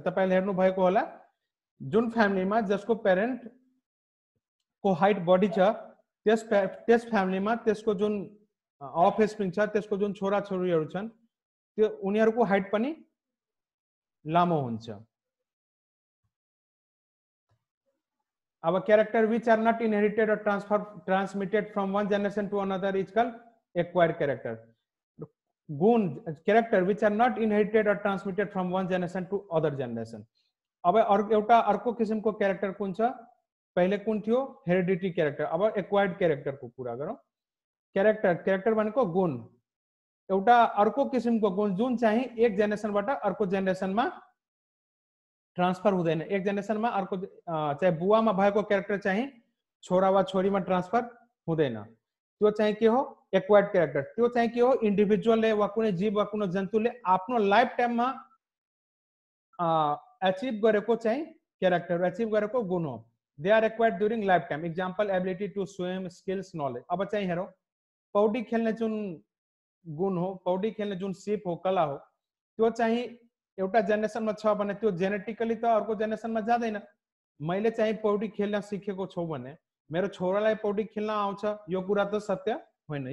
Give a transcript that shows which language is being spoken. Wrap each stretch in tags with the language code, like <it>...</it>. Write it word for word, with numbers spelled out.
<ne>तपाईँले हेर्नु भएको होला जुन फ्यामिलीमा जसको पेरेन्टको हाइट बढी छ त्यस त्यस फ्यामिलीमा त्यसको जुन अफस्प्रिंग छ त्यसको जुन छोरा छोरीहरू छन् त्यो उनीहरूको हाइट पनि लामो हुन्छ।</ne> <en>अब character which are not inherited or transfer transmitted from one generation to another is called acquired character. गुण character which are not inherited or transmitted from one generation to other generation.</en> <ne>अब एउटा अर्को किसिमको क्यारेक्टर कुन छ, पहिले कुन थियो, हेरिडिटी क्यारेक्टर। अब एक्वायर्ड क्यारेक्टरको कुरा गरौँ। क्यारेक्टर क्यारेक्टर भनेको गुण, एउटा अर्को किसिमको गुण जुन चाहिँ एक जेनेरेसनबाट अर्को जेनेरेसनमा ट्रान्सफर हुँदैन। एक जेनेरेसनमा अर्को चाहिँ बुवामा भएको क्यारेक्टर चाहिँ छोरा वा छोरीमा ट्रान्सफर हुँदैन। त्यो चाहिँ के हो, एक्वायर्ड क्यारेक्टर। त्यो चाहिँ के हो, इन्डिभिजुअलले वा कुनै जीव वा कुनै जन्तुले आफ्नो लाइफ टाइममा एचिभ गरेको चाहिँ क्यारेक्टर, एचिभ गरेको गुण हो।</ne> <en>They are acquired during life time. Example ability to swim, skills, knowledge.</en> <ne>अब चाहिँ हेरौँ, पौडी खेल्ने जुन गुण हो, पौडी खेल्ने जुन सिप हो, कला हो, त्यो चाहिँ एउटा जेनेरेसनमा छ भने त्यो जेनेटिकली त अर्को जेनेरेसनमा जाँदैन। मैले चाहिँ पौडी खेल्न सिकेको छु भने मेरो छोरालाई पौडी खेल्न आउँछ, यो कुरा त सत्य होइन।</ne>